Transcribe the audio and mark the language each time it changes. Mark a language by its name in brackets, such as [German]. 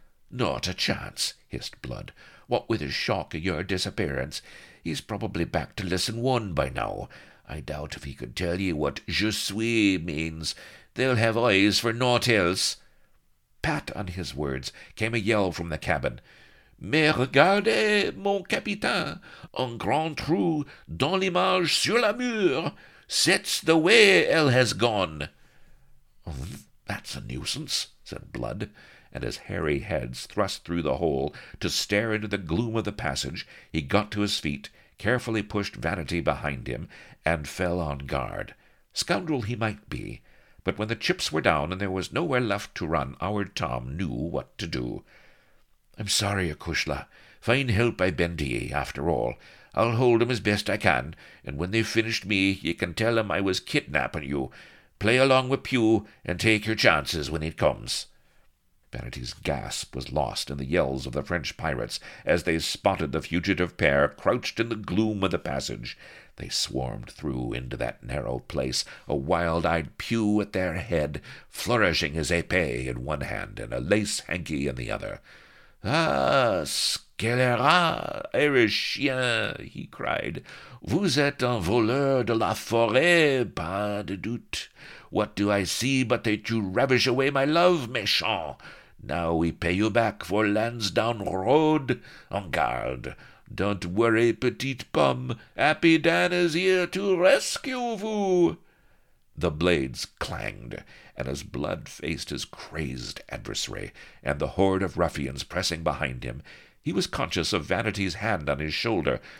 [English] "Not a chance," hissed Blood. "What with his shock of your disappearance, he's probably back to lesson one by now. I doubt if he could tell ye what [French] je suis [English] means. They'll have eyes for naught else." Pat on his words, came a yell from the cabin. [French] Mais regardez, mon capitaine, un grand trou dans l'image sur la mur. C'est [English] the way [French] elle [English] has gone. Oh, that's a nuisance, said Blood, and his hairy heads thrust through the hole to stare into the gloom of the passage, he got to his feet, carefully pushed Vanity behind him, and fell on guard. Scoundrel he might be, but when the chips were down and there was nowhere left to run, our Tom knew what to do. I'm sorry, Acushla. Fine help I been to ye, after all. I'll hold 'em as best I can, and when they've finished me, ye can tell 'em I was kidnapping you. Play along with Pew, and take your chances when it comes. Vanity's gasp was lost in the yells of the French pirates as they spotted the fugitive pair crouched in the gloom of the passage. They swarmed through into that narrow place, a wild-eyed Pew at their head, flourishing his épée in one hand and a lace hanky in the other. [French] "Ah, scélérat, [English] Irish [French] chien," [English] he cried. [French] "Vous êtes un voleur de la forêt, pas de doute. [English] What do I see but that you ravish away my love, [French] méchant? [English] Now we pay you back for Lansdowne Road. [French] En garde. [English] Don't worry, [French] petite pomme. [English] Happy Dan is here to rescue [French] vous." [English] The blades clanged, and as Blood faced his crazed adversary and the horde of ruffians pressing behind him, he was conscious of Vanity's hand on his shoulder.